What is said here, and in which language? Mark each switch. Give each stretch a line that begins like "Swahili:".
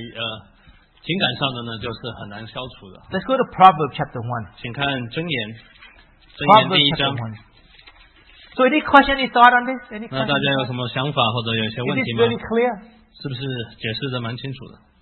Chinese: 那如果是在社会上孤独，你可以出去跟一些人一起去做一些采购的工作，但是在情感上的呢，就是很难消除的。
English: Let's go to Proverbs chapter 1.
Chinese: 请看箴言第一章。
English: So any question, any thought on this? Any question?
Chinese: 那大家有什么想法或者有些问题吗？
English: Is this really clear?
Chinese: 是不是解释的蛮清楚的？